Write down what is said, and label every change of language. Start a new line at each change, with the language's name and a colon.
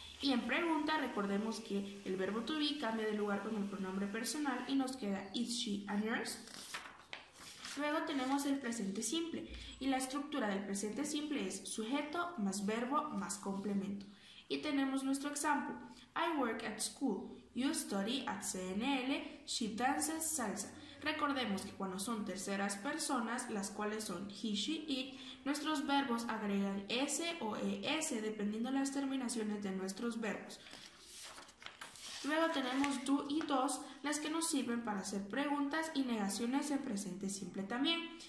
Spanish: Y en pregunta recordemos que el verbo to be cambia de lugar con el pronombre personal y nos queda
English: is she a nurse.
Spanish: Luego tenemos el presente simple y la estructura del presente simple es sujeto más verbo más complemento. Y tenemos nuestro ejemplo.
English: I work at school, you study at CNL, she dances salsa.
Spanish: Recordemos que cuando son terceras personas, las cuales son he, she, it, nuestros verbos agregan s o es dependiendo las terminaciones de nuestros verbos. Luego tenemos do y does, las que nos sirven para hacer preguntas y negaciones en presente simple también.